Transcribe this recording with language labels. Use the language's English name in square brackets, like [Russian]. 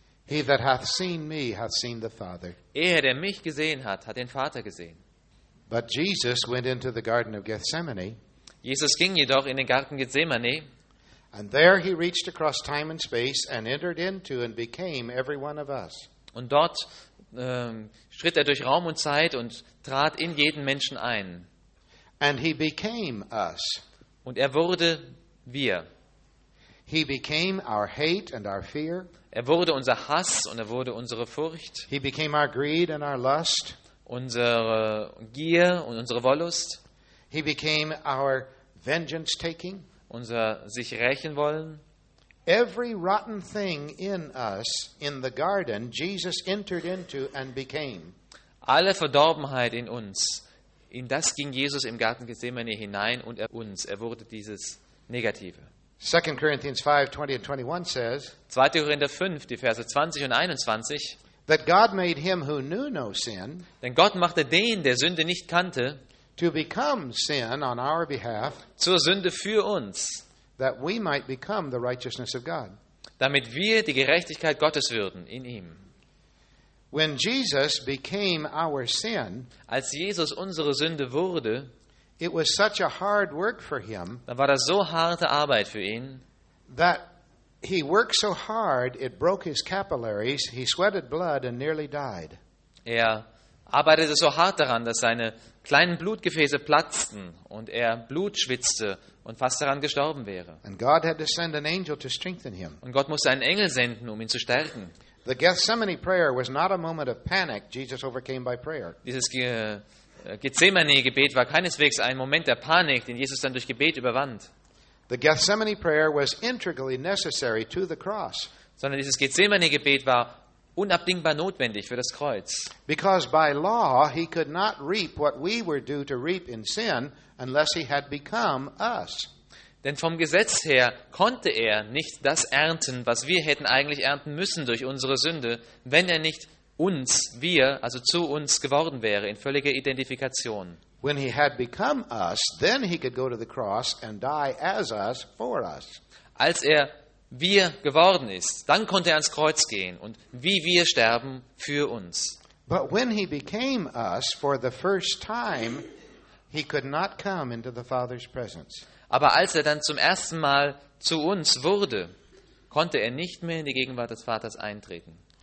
[English] He that hath seen me hath seen the Father. [German] Er, der mich gesehen hat, hat den Vater gesehen. [English] But Jesus went into the Garden of Gethsemane. [German] Jesus ging jedoch in den Garten Gethsemane. [English] And there he reached across time and space and entered into and became every one of us. [German] Und dort schritt er durch Raum und Zeit und trat in jeden Menschen ein. [English] And he became us. [German] Und er wurde wir. [English] He became our hate and our fear. [German] Er wurde unser Hass und er wurde unsere Furcht. [English] He became our greed and our lust. [German] Unsere Gier und unsere Wollust. [English] He became our vengeance taking. [German] Unser sich rächen wollen. [English] Every rotten thing in us in the garden Jesus entered into and became. [German] Alle Verdorbenheit in uns. In das ging Jesus im Garten Gethsemane hinein und er uns. Er wurde dieses Negative. [English] 2. Corinthians 5, 20 and 21 says, [German] 2. Korinther 5, die Verse 20 und 21, [English] that God made him who knew no sin, [German] denn Gott machte den, der Sünde nicht kannte, [English] to become sin on our behalf, [German] zur Sünde für uns, [English] that we might become the righteousness of God. [German] Damit wir die Gerechtigkeit Gottes würden in ihm. [English] When Jesus became our sin, [German] als Jesus unsere Sünde wurde, [English] it was such a hard work for him. [German] Dann war das so harte Arbeit für ihn. [English] That he worked so hard, it broke his capillaries. He sweated blood and nearly died. [German] Er arbeitete so hart daran, dass seine kleinen Blutgefäße platzten und er Blut schwitzte und fast daran gestorben wäre. [English] And God had to send an angel to strengthen him. [German] Und Gott musste einen Engel senden, um ihn zu stärken. [English] The Gethsemane prayer was not a moment of panic. Jesus overcame by prayer. [German] Dieses Gethsemane-Gebet war keineswegs ein Moment der Panik, den Jesus dann durch Gebet überwand. [English] The Gethsemane prayer was integrally necessary to the cross. [German] Sondern dieses Gethsemane-Gebet war unabdingbar notwendig für das Kreuz. [English] Because by law he could not reap what we were due to reap in sin unless he had become us. [German] Denn vom Gesetz her konnte er nicht das ernten, was wir hätten eigentlich ernten müssen durch unsere Sünde, wenn er nicht uns, wir, also zu uns geworden wäre, in völliger Identifikation. [English] When he had become us, then he could go to the cross and die as us, for us. [German] Als er wir geworden ist, dann konnte er ans Kreuz gehen und wie wir sterben, für uns. [English] But when he became us for the first time, he could not come into the Father's presence. [German] Aber als er dann zum ersten Mal zu uns wurde, konnte er nicht mehr in die Gegenwart des Vaters eintreten.